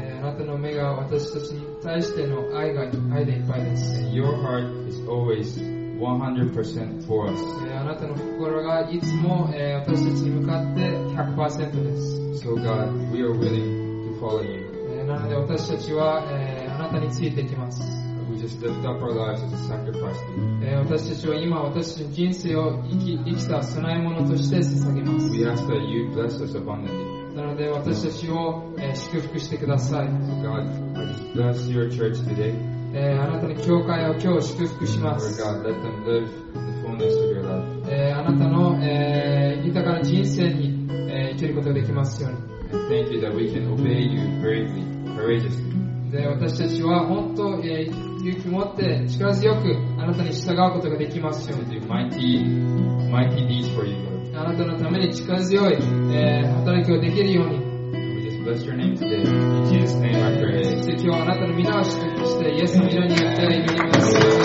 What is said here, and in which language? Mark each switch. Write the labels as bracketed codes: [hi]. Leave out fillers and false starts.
[ja] あなたの目が私たちに対しての愛が愛でいっぱいです。 [en] And your heart is always 100% for us. [ja] あなたの心がいつも私たちに向かって 100% です。 [en] So God, we are willing to follow you. [ja] なので私たちはあなたについていきます。 [en] We just lift up our lives as a sacrifice to you. [ja] 私たちは今私たちの人生を生きた備え物として捧げます。 [en] We ask that you bless us abundantly. [ja] なので私たちを祝福してください。 [en] God, I bless your church today. [ja] あなたの教会を今日祝福します。 [en] God, let them live the fullness of your love. [ja] あなたの豊かな人生に生きることができますように。 [en] And thank you that we can obey you bravely, courageously. [ja] で私たちは本当に勇気持って力強くあなたに従うことができますように。 [en] To do mighty deeds for you. [ja] あなたのために力強い、働きをできるように。 [en] We just bless your name today. In Jesus' name, I pray. [ja] 今日あなたの皆を祝福して、イエスの皆によって祈ります。